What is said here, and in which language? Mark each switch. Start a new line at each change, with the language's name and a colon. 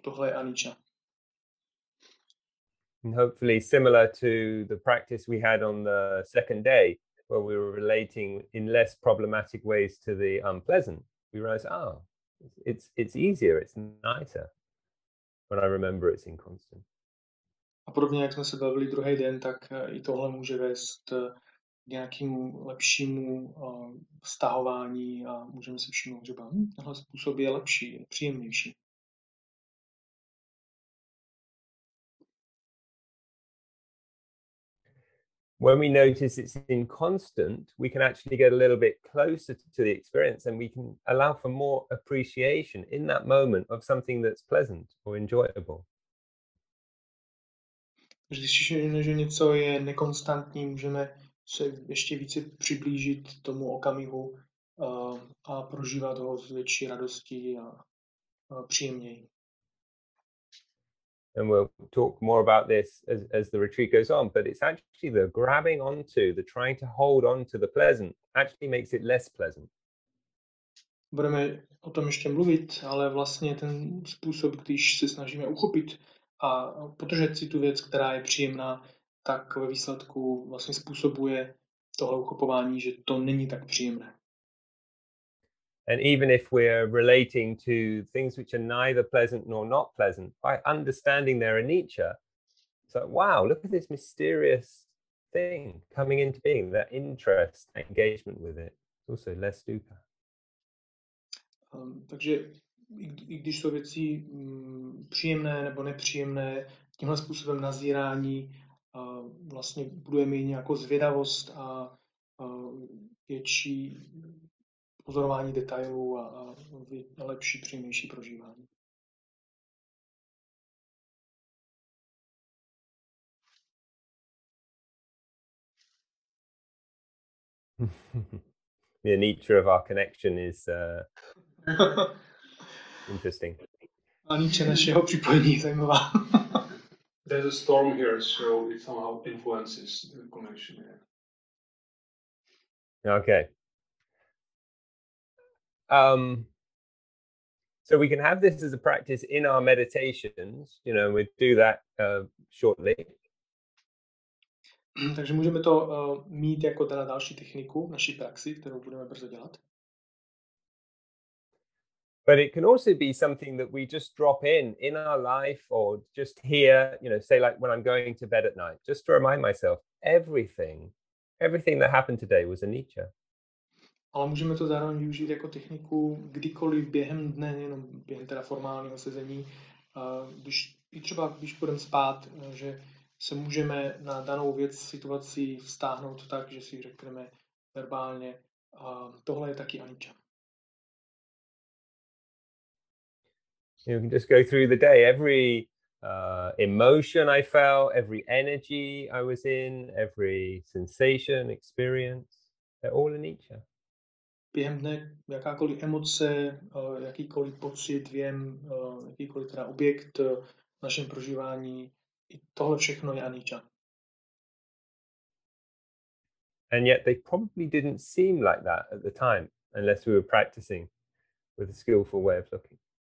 Czech: Tohle je Anicca.
English: And hopefully similar to the practice we had on the second day, where we were relating in less problematic ways to the unpleasant, we realize, oh, it's easier, it's nicer when I remember it's inconstant.
Czech: A podobně, jak jsme se bavili druhý den, tak i tohle může vést k nějakému lepšímu vztahování a můžeme se všimnout, že tohle způsob je lepší, je příjemnější.
English: When we notice it's inconstant, we can actually get a little bit closer to the experience and we can allow for more appreciation in that moment of something that's pleasant or enjoyable.
Czech: Když slyšíme, že něco je nekonstantní, můžeme se ještě více přiblížit tomu okamihu a prožívat ho s větší radostí a příjemněji.
English: And we'll talk more about this as the retreat goes on, but it's actually the grabbing onto, the trying to hold on to the pleasant actually makes it less pleasant.
Czech: Budeme o tom ještě mluvit, ale vlastně ten způsob, když se snažíme uchopit a podržet si tu věc, která je příjemná, tak ve výsledku vlastně způsobuje tohle uchopování, že to není tak příjemné.
English: And even if we're relating to things which are neither pleasant nor not pleasant, by understanding their anicca, it's like, wow, look at this mysterious thing coming into being, that interest, engagement with it. It's also less dukkha.
Czech: Takže i když jsou věci příjemné nebo nepříjemné, tímhle způsobem nazírání vlastně budujeme i nějakou zvědavost a větší pozorování detailů a lepší, příjemnější prožívání.
English: The nature of our connection is interesting.
Czech: A nature našeho připojení je zajímavá.
English: There's a storm here, so it somehow influences the connection here. Okay. So we can have this as a practice in our meditations, you know, we'll do that shortly.
Czech: Takže můžeme to mít jako teda další techniku v naší praxi, kterou budeme brzo dělat.
English: But it can also be something that we just drop in our life or just here, you know, say like when I'm going to bed at night, just to remind myself everything that happened today was anicca.
Czech: Ale můžeme to zároveň využít jako techniku kdykoliv během dne, jenom během teda formálního sezení. Když, i třeba když půjdeme spát, že se můžeme na danou věc situaci vztáhnout tak, že si řekneme verbálně, tohle je taky anicca.
English: You can just go through the day. Every emotion I felt, every energy I was in, every sensation, experience, they're all anicca.
Czech: Během dne jakákoliv emoce, jakýkoliv pocit, věm, jakýkoliv teda objekt v našem prožívání, i tohle všechno je anicca.
English: And yet they probably didn't seem like that at the time, unless we were practicing with a skillful way of looking.